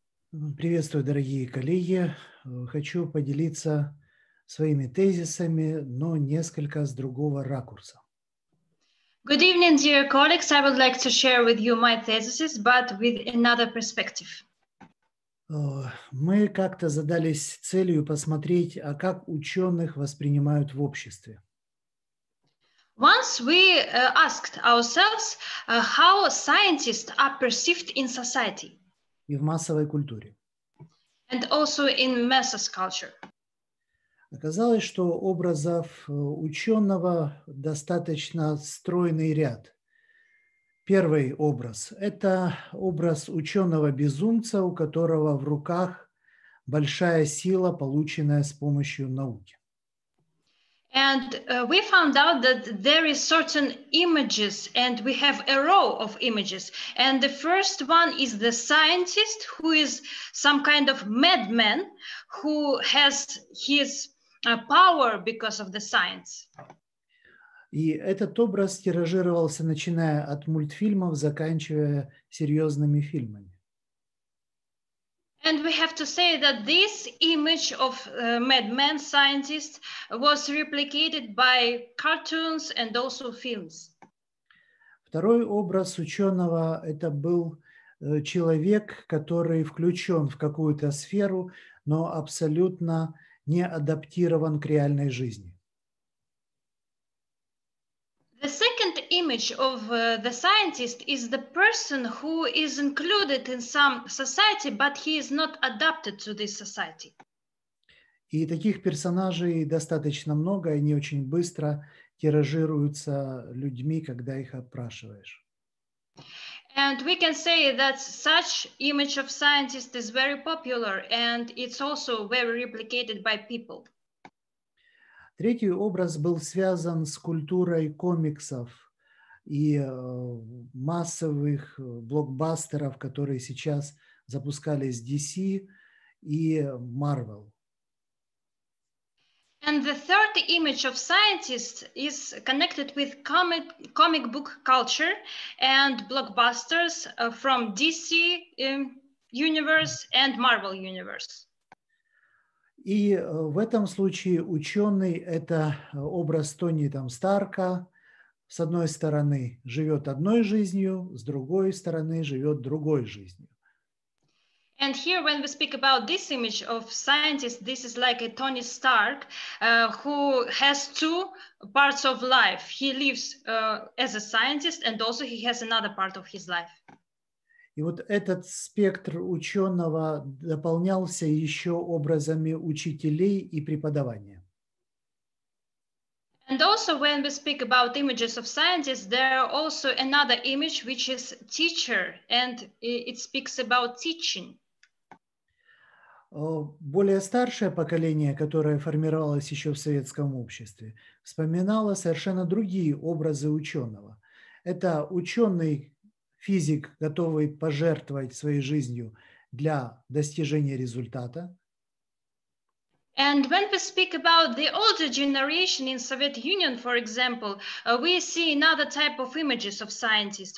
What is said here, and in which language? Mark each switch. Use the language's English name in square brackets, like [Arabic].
[Russian] Приветствую, дорогие коллеги. Хочу поделиться своими тезисами, но несколько с другого ракурса. [English] Good evening, dear colleagues. I would like to share with you my thesis, but with another perspective. [Russian] Мы как-то задались целью посмотреть, а как ученых воспринимают в обществе. [English] Once we asked ourselves how scientists are perceived in society. [Russian] И в массовой культуре. [English] And also in masses culture. [Russian] Оказалось, что образов ученого достаточно стройный ряд. Первый образ – это образ ученого-безумца, у которого в руках большая сила, полученная с помощью науки. [English] And we found out that there is certain images, and we have a row of images. And the first one is the scientist, who is some kind of madman, who has his power because of the science. [Russian] И этот образ тиражировался, начиная от мультфильмов, заканчивая серьезными фильмами. [English] And we have to say that this image of madman scientist was replicated by cartoons and also films. [Russian] Второй образ ученого – это был человек, который включен в какую-то сферу, но абсолютно не адаптирован к реальной жизни. [English] The second image of the scientist is the person who is included in some society, but he is not adapted to this society. [Russian] И таких персонажей достаточно много, они очень быстро тиражируются людьми, когда их опрашиваешь. [English] And we can say that such image of scientist is very popular, and it's also very replicated by people. [Russian] Третий образ был связан с культурой комиксов и массовых блокбастеров, которые сейчас запускались DC и Marvel. [English] And the third image of scientist is connected with comic book culture and blockbusters from DC universe and Marvel universe. [Russian] И в этом случае ученый – это образ Тони там, Старка. С одной стороны, живет одной жизнью, с другой стороны, живет другой жизнью. [English] And here, when we speak about this image of scientist, this is like a Tony Stark, who has two parts of life. He lives as a scientist, and also he has another part of his life. [Russian] И вот этот спектр ученого дополнялся еще образами учителей и преподавания. [English] And also when we speak about images of scientists, there are also another image, which is teacher, and it speaks about teaching. [Russian] Более старшее поколение, которое формировалось еще в советском обществе, вспоминало совершенно другие образы ученого. Это ученый физик, готовый пожертвовать своей жизнью для достижения результата. [English] And when we speak about the older generation in Soviet Union, for example, we see another type of images of scientists.